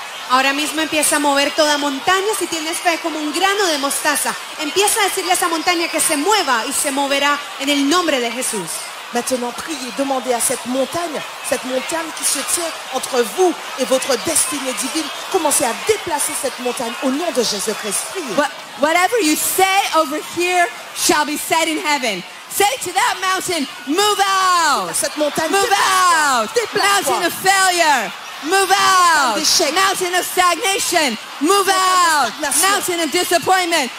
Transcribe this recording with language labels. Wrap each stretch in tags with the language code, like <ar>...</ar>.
<es>Ahora mismo empieza a mover toda montaña si tienes fe como un grano de mostaza. Empieza a decirle a esa montaña que se mueva y se moverá en el nombre de Jesús.</es> <fr>Maintenant priez, demandez à cette montagne qui se tient entre vous et votre destinée divine, commencez à déplacer cette montagne au nom de Jésus-Christ.</fr> <en>Whatever you say over here shall be said in heaven. Say to that mountain, move out.</en> <fr>Cette montagne,</fr> <en>move out. Mountain of failure. Move out. Mountain of stagnation. Move out. Mountain of disappointment.</en>